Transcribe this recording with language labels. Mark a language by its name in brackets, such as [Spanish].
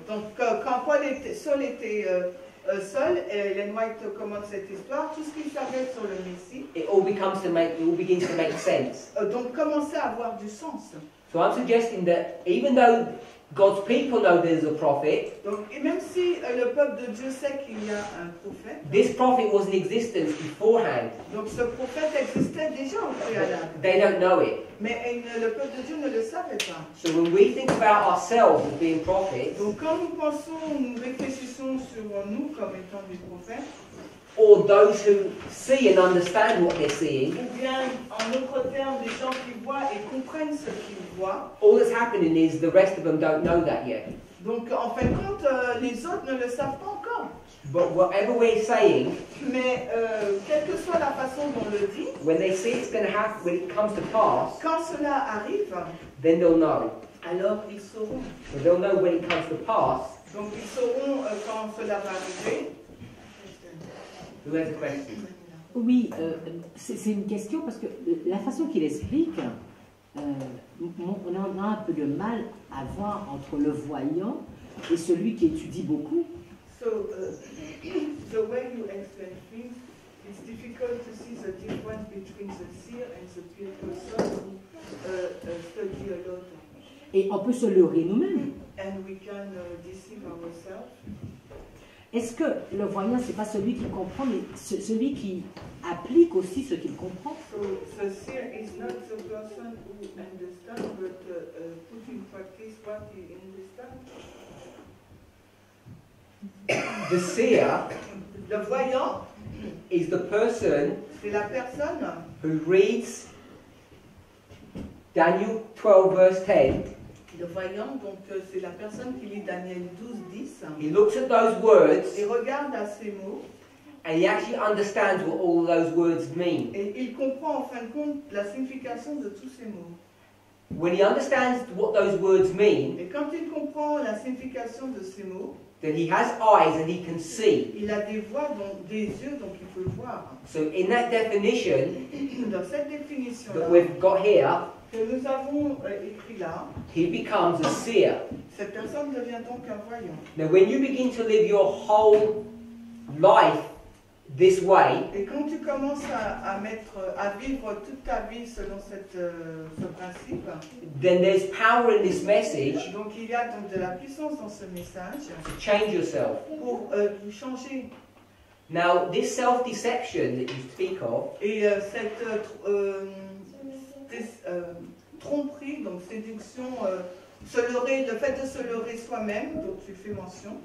[French] Donc quand Saul était seul, et Ellen White commence cette histoire, tout ce qu'il savait sur le Messie. [English] It all begins to make sense. [French] Donc commençait à avoir du sens. [English] So I'm suggesting that even though God's people know there's a prophet, [French] donc, et même si, le peuple de Dieu sait qu'il y a un prophète, [English] this prophet was in existence beforehand. [French] Donc ce prophète existait déjà au préalable. [English] They don't know it. [French] Mais le peuple de Dieu ne le savait pas. [English] So when we think about ourselves as being prophets, [French] donc quand nous pensons, nous réfléchissons sur nous comme étant des prophètes, [English] or those who see and understand what they're seeing. [French] Ou bien, en autre terme, des gens qui voient et comprennent ce qu'ils voient. [English] All that's happening is the rest of them don't know that yet. [French] Donc, en fin de compte, les autres ne le savent pas encore. [English] But whatever we're saying, [French] mais quelle que soit la façon dont on le dit, [English] when they see it's going to happen, when it comes to pass, [French] quand cela arrive, [English] then they'll know. [French] Alors, ils sauront. [English] So they'll know when it comes to pass. [French] Donc, ils sauront quand cela va arriver. Oui, c'est une question parce que la façon qu'il explique, on a un peu de mal à voir entre le voyant et celui qui étudie beaucoup. [English] So, the way you explain things, it's difficult to see the difference between the seer and the person who study a lot. [French] Et on peut se leurrer nous-mêmes. [English] And we can deceive ourselves. [French] Est-ce que le voyant, ce n'est pas celui qui comprend, mais celui qui applique aussi ce qu'il comprend? [English] So, the seer is not the person who understands, but put in practice what he understands. The seer, [French] le voyant, [English] is the person, [French] c'est la personne, [English] who reads Daniel 12, verse 10. [French] Le voyant, donc c'est la personne qui lit Daniel 12, 10. [English] He looks at those words. [French] Il regarde à ces mots. [English] And he actually understands what all those words mean. [French] Et il comprend en fin de compte la signification de tous ces mots. [English] When he understands what those words mean, [French] et quand il comprend la signification de ces mots, [English] then he has eyes and he can see. [French] Il a des voix, donc, des yeux, donc il peut voir. [English] So in that definition, [French] dans cette définition [English] that we've got here, [French] que nous avons écrit là, [English] he becomes a seer. [French] Cette personne devient donc un voyant. [English] Now when you begin to live your whole life this way, [French] et quand tu commences à vivre toute ta vie selon ce principe, [English] then there's power in this message. [French] Donc il y a donc de la puissance dans ce message. [English] To change yourself. [French] Pour vous changer. [English] Now this self-deception that you speak of. [French] Et cette tromperie, donc séduction, se leurrer, le fait de se leurrer soi-même, dont tu fais mention.